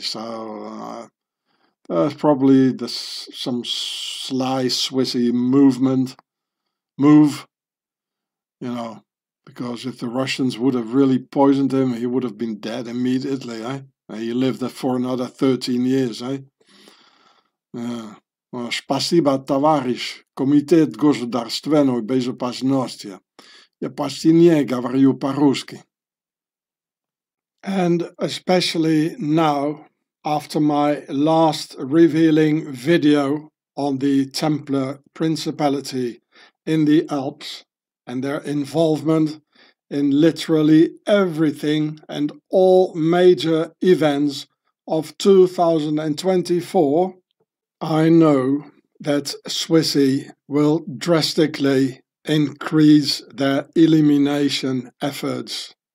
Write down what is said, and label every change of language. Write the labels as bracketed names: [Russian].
[English] So there's probably some sly Swissy move, you know. Because if the Russians would have really poisoned him, he would have been dead immediately, eh? He lived for another 13 years, eh? [Russian] Well, спасибо, товарищ. Комитет государственной безопасности. Я почти не говорю по-русски. [English] And especially now, after my last revealing video on the Templar Principality in the Alps and their involvement in literally everything and all major events of 2024, I know that Swissy will drastically increase their elimination efforts.